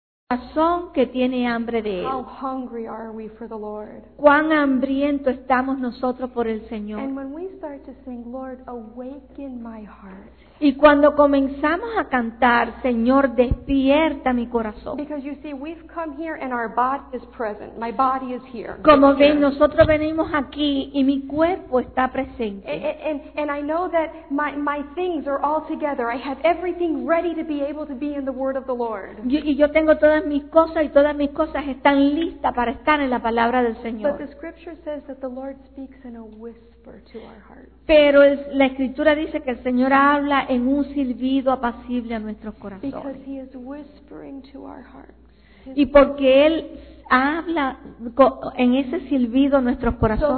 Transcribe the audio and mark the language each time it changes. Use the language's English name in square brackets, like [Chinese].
[Spanish] Corazón que tiene hambre de Él. [English] How hungry are we for the Lord? [Spanish] Cuán hambriento estamos nosotros por el Señor. [English] And when we start to sing, Lord, awaken my heart. [Spanish] Y cuando comenzamos a cantar, Señor, despierta mi corazón. [English] Because you see, we've come here and our body is present. My body is here. [Spanish] Como ven, nosotros venimos aquí y mi cuerpo está presente. [English] And I know that my things are all together. I have everything ready to be able to be in the Word of the Lord. [Spanish] Yo tengo todas mis cosas y todas mis cosas están listas para estar en la palabra del Señor. [English] But the scripture says that the Lord speaks in a whisper to our hearts. [Spanish] Pero la escritura dice que el Señor habla en un silbido apacible a nuestros corazones. [English] Because he is whispering to our hearts. [Spanish] Y porque él habla en ese silbido a nuestros corazones.